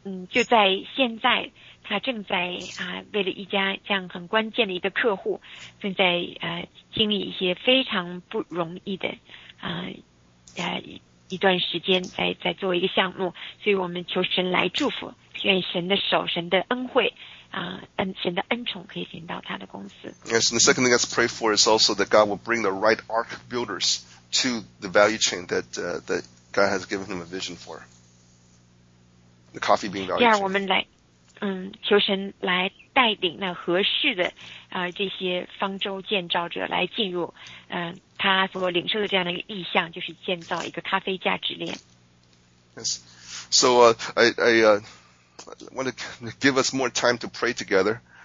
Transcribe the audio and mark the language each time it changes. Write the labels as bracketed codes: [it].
[zh] 就在现在，他正在为了一家这样很关键的一个客户，正在经历一些非常不容易的一段时间，在做一个项目，所以我们求神来祝福，愿神的手、神的恩惠神的恩宠可以行到他的公司。 [en] Yes, and the second thing I pray for is also that God will bring the right arc builders to the value chain that that God has given him a vision for. The coffee bean value chain. [zh] 第二，我们来求神来带领那合适的这些方舟建造者来进入他所领受的这样的一个意向，就是建造一个咖啡价值链。 [en] Yes, so I want to give us more time to pray together.